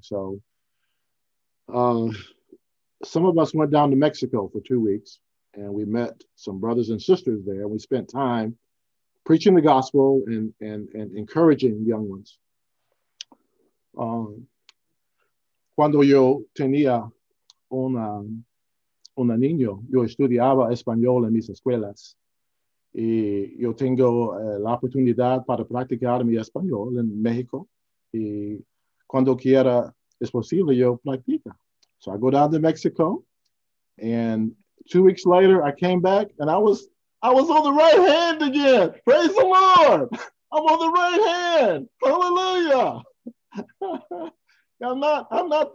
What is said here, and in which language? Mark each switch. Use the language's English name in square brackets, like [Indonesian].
[English] So some of us went down to Mexico for 2 weeks and we met some brothers and sisters there. We spent time preaching the gospel and encouraging young ones. [Spanish] Cuando yo tenía un niño, yo estudiaba español en mis escuelas y yo tengo la oportunidad para practicar mi español en México Y cuando quiera es posible, yo practico. [English] So I go down to Mexico, and 2 weeks later, I came back, and I was on the right hand again. Praise the Lord! I'm on the right hand. Hallelujah!